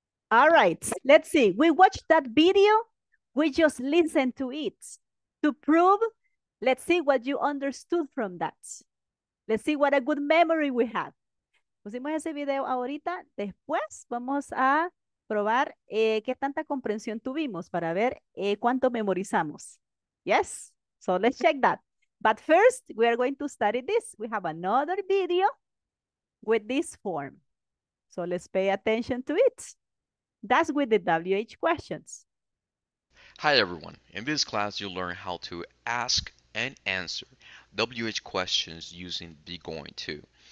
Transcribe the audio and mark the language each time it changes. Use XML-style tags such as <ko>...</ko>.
<en>All right, let's see. We watched that video. We just listened to it to prove. Let's see what you understood from that. Let's see what a good memory we have.</en> <es>Pusimos ese video ahorita. Después vamos a probar qué tanta comprensión tuvimos para ver cuánto memorizamos.</es> <en>Yes, so let's check that. But first, we are going to study this. We have another video with this form. So let's pay attention to it. That's with the WH questions. Hi everyone. In this class, you'll learn how to ask and answer WH questions using be going to.</en>